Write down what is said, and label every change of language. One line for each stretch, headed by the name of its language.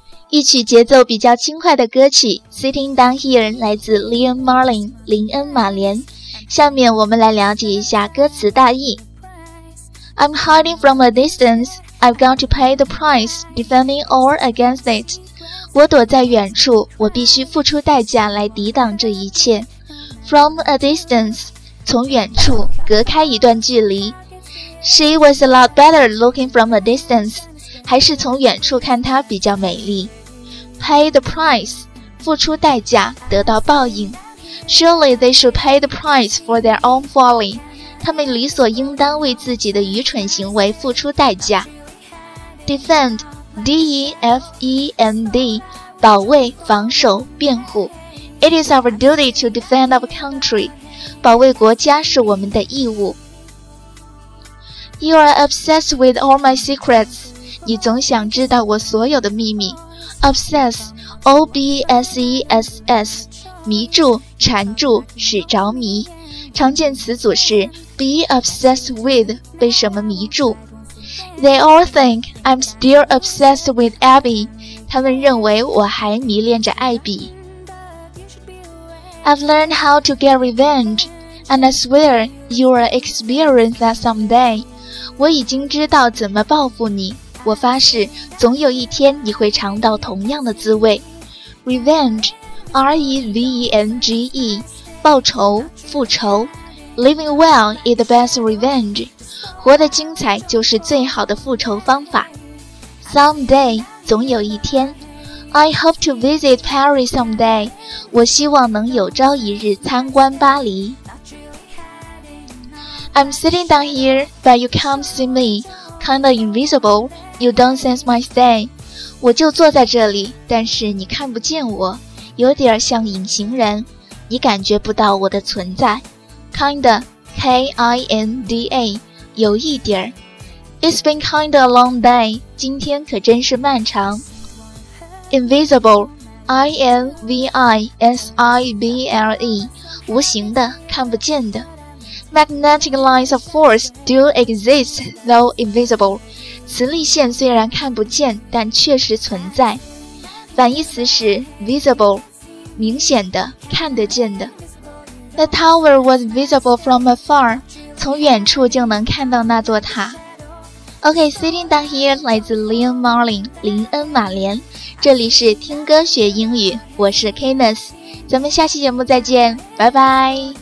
Chinese: 一曲节奏比较轻快的歌曲 Sitting Down Here 来自 Leon Marlin 林恩马莲。下面我们来了解一下歌词大意。
English: I'm hiding from a distance, I've got to pay the price, defending all against it.
Chinese: 我躲在远处，我必须付出代价来抵挡这一切。 From a distance, 从远处，隔开一段距离。
English: She was a lot better looking from a distance, 还是从远处看它比较美丽。
Chinese: Pay the price, 付出代价得到报应。
English: Surely they should pay the price for their own folly, 他们理所应当为自己的愚蠢行为付出代价。 Defend, D-E-F-E-N-D, 保卫、防守、辩护。 It is our duty to defend our country, 保卫国家是我们的义务。 You are obsessed with all my secrets, 你总想知道我所有的秘密。 Obsess, O-B-S-E-S-S, 迷住、缠住、使着迷。
Chinese: 常见词组是 be obsessed with, 被什么迷住。
English: They all think I'm still obsessed with Abby, 他们认为我还迷恋着艾比。 I've learned how to get revenge, and I swear you'll experience that someday.
Chinese: 我已经知道怎么报复你。我发誓，总有一天你会尝到同样的滋味。
English: Revenge, R-E-V-E-N-G-E, 报仇、复仇。 Living well is the best revenge, 活得精彩就是最好的复仇方法。
Chinese: Someday, 总有一天。
English: I hope to visit Paris someday, 我希望能有朝一日参观巴黎。 I'm sitting down here, but you can't see me, kinda invisible,You don't sense my stay.
Chinese: 我就坐在这里，但是你看不见我，有点像隐形人，你感觉不到我的存在。
English: Kinda, K-I-N-D-A, 有一点。 It's been kinda a long day, 今天可真是漫长。 Invisible, I-N-V-I-S-I-B-L-E, 无形的，看不见的。 Magnetic lines of force do exist, though invisible.
Chinese: 磁力线虽然看不见，但确实存在。反义词是 visible, 明显的，看得见的。
English: The tower was visible from afar, 从远处就能看到那座塔。 Okay, sitting down here, 来自 Leon Marlin, 林恩马莲。
Chinese: 这里是听歌学英语，我是 Kenneth, 咱们下期节目再见，拜拜。